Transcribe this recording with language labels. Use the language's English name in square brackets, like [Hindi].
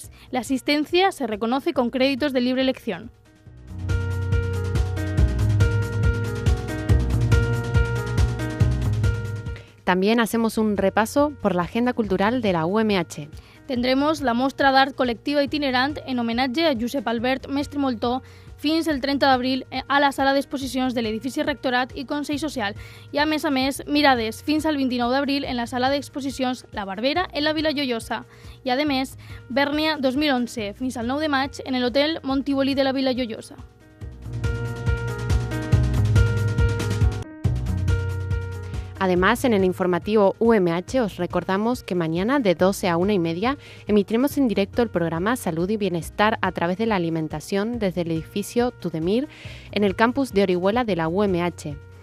[Spanish] La asistencia se reconoce con créditos de libre elección. También hacemos un repaso por la agenda cultural de la UMH. [Catalan] Tendremos la mostra d'art colectiva itinerant en homenatge a Josep Albert Mestre Moltó fins el 30 d'abril a la sala d'exposicions de l'edifici Rectorat i Consell Social. I a més, mirades fins al 29 d'abril en la sala d'exposicions La Barbera en la Vila Joiosa. I a més, Bèrnia 2011 fins al 9 de maig en l'hotel Montivoli de la Vila Joiosa. [Spanish] Además, en el informativo UMH os recordamos que mañana de 12 a 1 y media emitiremos en directo el programa Salud y Bienestar a través de la alimentación desde el edificio Tudemir en el campus de Orihuela de la UMH.